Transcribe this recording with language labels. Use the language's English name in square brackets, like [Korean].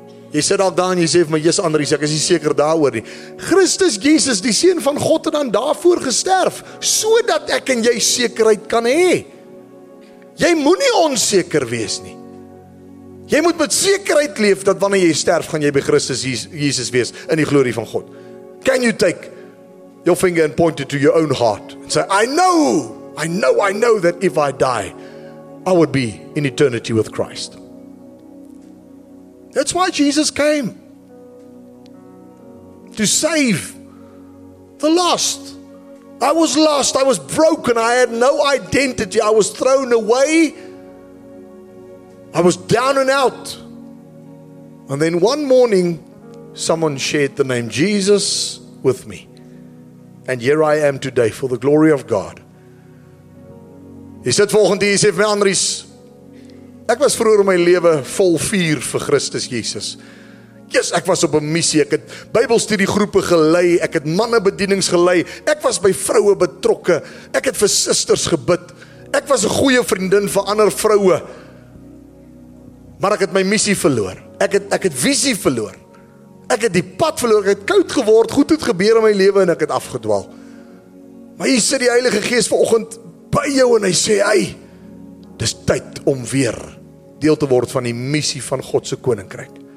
[Afrikaans] Jy sit al daar en jy sê vir my, Jesus Andries, ek is nie seker daaroor nie. Christus Jesus, die Seun van God, het dan daarvoor gesterf, so dat ek en jy sekerheid kan hê. Jy moenie onseker wees nie. Jy moet met sekerheid leef dat wanneer jy sterf, gaan jy by Christus Jesus wees in die glorie van God. [English] Can you take your finger and point it to your own heart and say, I know that if I die, I would be in eternity with Christ. That's why Jesus came. To save the lost. I was lost, I was broken, I had no identity, I was thrown away. I was down and out. And then one morning, someone shared the name Jesus with me. And here I am today for the glory of God. [Afrikaans] Hy sê volgende, hy sê vir my, Andries, ek was vroeger in my lewe vol vuur vir Christus Jesus. Yes, ek was op 'n missie, ek het Bybelstudiegroepe gelei, ek het mannebedienings gelei, ek was by vroue betrokke, ek het vir susters gebid, ek was 'n goeie vriendin vir ander vroue. Maar ek het my missie verloor. Ek het visie verloor. Ek het die pad verloor. Ek het koud geword. Goed het gebeur in my lewe en ek het afgedwaal. Maar hier sit die Heilige Gees vanoggend by jou en hy sê, "Hey, dis tyd om weer deel te word van die missie van God se koninkryk.